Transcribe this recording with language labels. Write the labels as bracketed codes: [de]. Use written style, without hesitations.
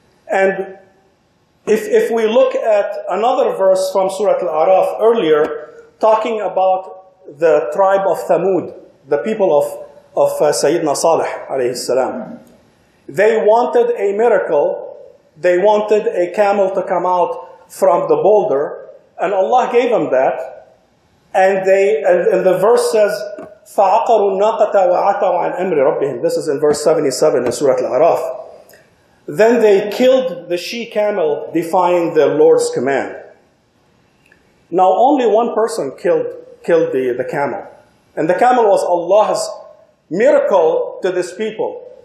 [en] And if we look at another verse from Surah Al-A'raf earlier, talking about the tribe of Thamud, the people of Sayyidina Salih alayhi salam. They wanted a miracle. They wanted a camel to come out from the boulder. And Allah gave them that. And the verse says, [ar] فَعَقَرُوا النَّاقَةَ وَعَتَوْا عَنْ أَمْرِ رَبِّهِمْ. [en] This is in verse 77 in Surah Al-A'raf. Then they killed the she-camel, defying the Lord's command. Now only one person killed the camel. And the camel was Allah's miracle to this people.